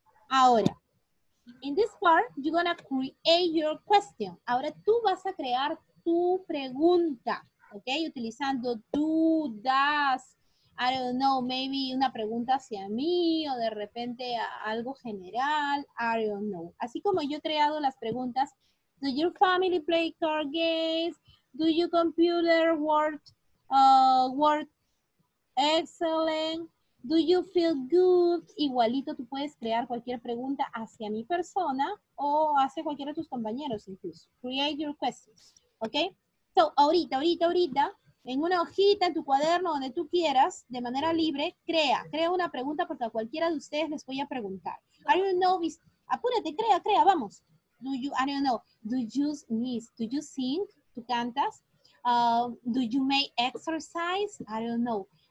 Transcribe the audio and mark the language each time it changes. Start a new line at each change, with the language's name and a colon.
English: Ahora, in this part, you're going to create your question.
Spanish: Ahora tú vas a crear tu pregunta, ¿ok? Utilizando
English: do, does, I don't know,
Spanish: maybe una pregunta hacia mí o de repente algo general,
English: I don't know.
Spanish: Así como yo he creado las preguntas,
English: do your family play card games? Do your computer work, work excellent? Do you feel good?
Spanish: Igualito tú puedes crear cualquier pregunta hacia mi persona o hacia cualquiera de tus compañeros incluso.
English: Create your questions,
Spanish: ¿ok? So, ahorita, en una hojita, en tu cuaderno, donde tú quieras, de manera libre, crea una pregunta porque a cualquiera de ustedes les voy a preguntar.
English: I don't know,
Spanish: apúrate, crea, vamos.
English: Do you, I don't know, do you miss, do you sing,
Spanish: tú cantas,
English: do you make exercise, I don't know.